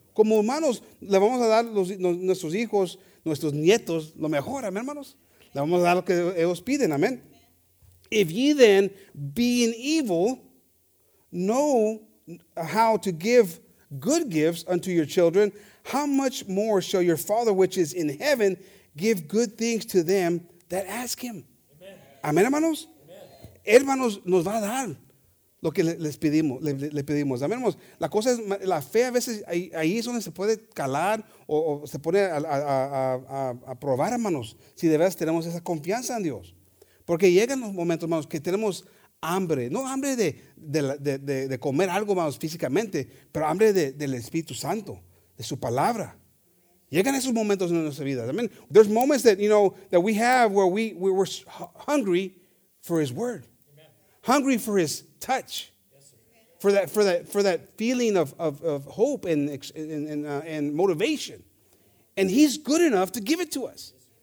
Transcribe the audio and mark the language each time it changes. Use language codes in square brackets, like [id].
[es] Como hermanos, le vamos a dar nuestros hijos, nuestros nietos, lo mejor, amén, hermanos. Le vamos a dar lo que ellos piden, amén. [en] If ye then, being evil, know how to give good gifts unto your children, how much more shall your Father which is in heaven give good things to them that ask him? [es] Amén, hermanos. Hermanos, nos va a dar lo que le pedimos. Amén, hermanos. La cosa es, la fe a veces, ahí es donde se puede calar o se pone a probar, hermanos, si de verdad tenemos esa confianza en Dios. Porque llegan los momentos, hermanos, que tenemos hambre. No hambre de comer algo, hermanos, físicamente, pero hambre del Espíritu Santo, de su palabra. Llegan esos momentos en nuestra vida. [en] I mean, there's moments that, you know, that we have where we were hungry for his word. Hungry for his touch, for that feeling of hope and motivation, and he's good enough to give it to us.